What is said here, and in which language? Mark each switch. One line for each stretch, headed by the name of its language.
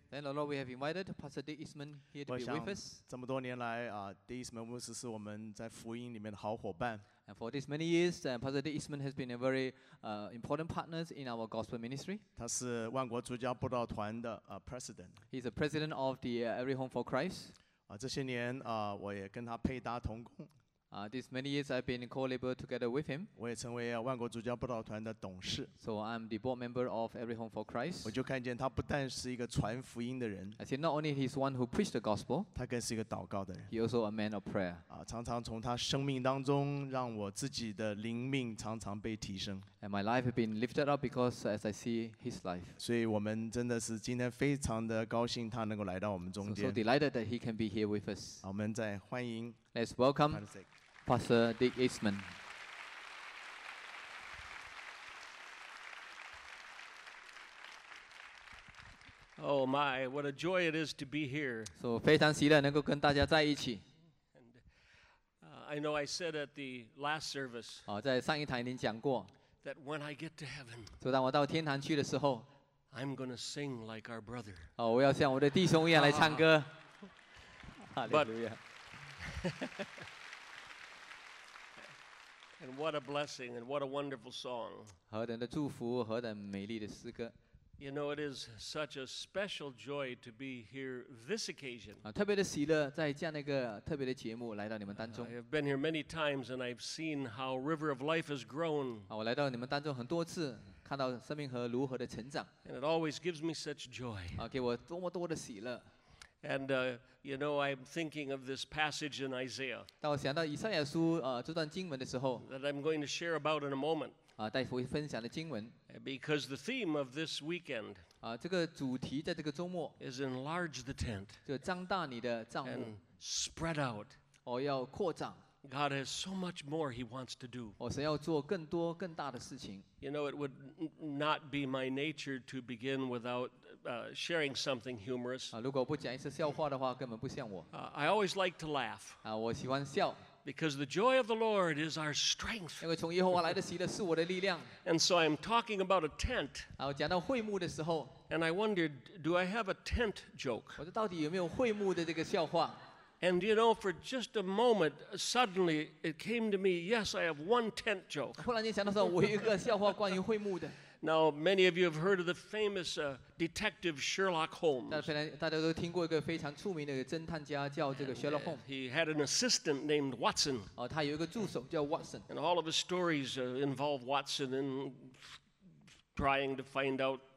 English: Then the Lord, we have invited Pastor Dick Eastman here to be with us.
Chinese: 这么多年来啊 ，Dick Eastman 牧师是我们在福音里面的好伙伴。
English: And for these many years, Pastor Dick Eastman has been a very important partner in our gospel ministry.
Chinese: 他是万国主教布道团的president.
English: He's the president of the Every Home for Christ.
Chinese: 啊，这些年啊，我也跟他配搭同工。
English: These many years I've been co-labor together with him.
Chinese: 我也成为万国主教布道团的董事。
English: So I'm the board member of Every Home for Christ.
Chinese: 我就看见他不但是一个传福音的人。
English: I see not only he's one who preached the gospel.
Chinese: 他更是一个祷告的人。
English: He also a man of prayer.
Chinese: 常常从他生命当中，让我自己的灵命常常被提升。
English: And my life has been lifted up because as I see his life.
Chinese: 所以我们真的是今天非常的高兴他能够来到我们中间。
English: So delighted that he can be here with us.
Chinese: 我们再欢迎。
English: Let's welcome Pastor Dick Eastman. Oh my, what a joy it is to be here.
Chinese: So, 非常喜乐能够跟大家在一起。
English: And, I know I said at the last service.
Chinese: 在上一堂您讲过。
English: That when I get to heaven.
Chinese: 当我到天堂去的时候。
English: I'm going to sing like our brother.
Chinese: 我要像我的弟兄一样来唱歌。
English: Hallelujah. And what a blessing, and what a wonderful song.
Chinese: 何等的祝福，何等美丽的诗歌。
English: You know, it is such a special joy to be here this occasion.
Chinese: 特别的喜乐，在这样的一个特别的节目来到你们当中。
English: I have been here many times, and I've seen how River of Life has grown.
Chinese: 我来到你们当中很多次，看到生命河如何的成长。
English: And it always gives me such joy.
Chinese: 给我多么多的喜乐。
English: And you know, I'm thinking of this passage in Isaiah.
Chinese: 当我想到以赛亚书这段经文的时候
English: ，that I'm going to share about in a moment.
Chinese: 待会分享的经文。
English: Because the theme of this weekend.
Chinese: 这个主题在这个周末。
English: Is enlarge the tent.
Chinese: 就张大你的帐幕。
English: And spread out.
Chinese: 要扩张。
English: God has so much more He wants to do.
Chinese: 神要做更多更大的事情。
English: You know, it would not be my nature to begin without sharing something humorous.
Chinese: 如果不讲一次笑话的话，根本不像我。
English: I always like to laugh.
Chinese: 我喜欢笑。
English: Because the joy of the Lord is our strength.
Chinese: 因为从耶和华来的喜乐是我的力量。
English: And so I'm talking about a tent.
Chinese: 我讲到会幕的时候。
English: And I wondered, do I have a tent joke?
Chinese: 我到底有没有会幕的这个笑话？
English: And you know, for just a moment, suddenly it came to me. Yes, I have one tent joke.
Chinese: 忽然间想到说，我有一个笑话关于会幕的。
English: Now, many of you have heard of the famous detective Sherlock Holmes.
Chinese: 大家都听过一个非常著名的侦探家叫这个 Sherlock Holmes.
English: He had an assistant named Watson.
Chinese: 他有一个助手叫 Watson.
English: And all of his stories involve Watson in trying to find out.